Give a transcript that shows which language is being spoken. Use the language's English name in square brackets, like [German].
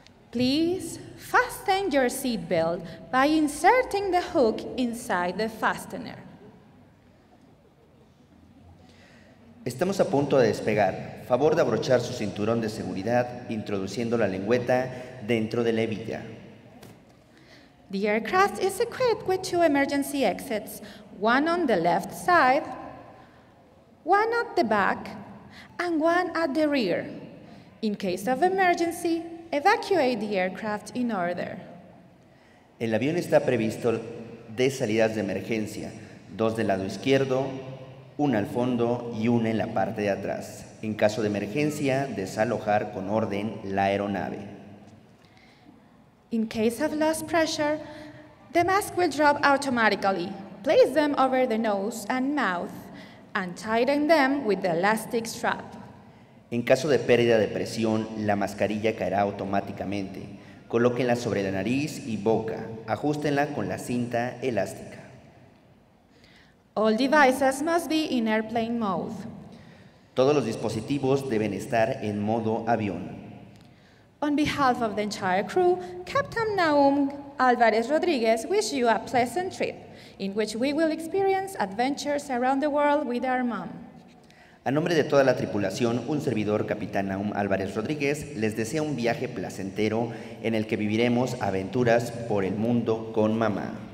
[English] Please fasten your seat belt by inserting the hook inside the fastener. [Spanish] Estamos a punto de despegar. Favor de abrochar su cinturón de seguridad introduciendo la lengüeta dentro de la hebilla. [English] The aircraft is equipped with two emergency exits, one on the left side, one at the back, and one at the rear. In case of emergency, evacuate the aircraft in order. [Spanish] El avión está previsto de salidas de emergencia, dos del lado izquierdo, una al fondo y una en la parte de atrás. En caso de emergencia, desalojar con orden la aeronave. [English] In case of lost pressure, the mask will drop automatically. Place them over the nose and mouth and tighten them with the elastic strap. [Spanish] En caso de pérdida de presión, la mascarilla caerá automáticamente. Colóquenla sobre la nariz y boca. Ajústenla con la cinta elástica. [English] All devices must be in airplane mode. [Spanish] Todos los dispositivos deben estar en modo avión. [English] On behalf of the entire crew, Captain Naum Alvarez Rodriguez wishes you a pleasant trip, in which we will experience adventures around the world with our mom. [Spanish] A nombre de toda la tripulación, un servidor, Capitán Naum Álvarez Rodríguez, les desea un viaje placentero en el que viviremos aventuras por el mundo con mamá.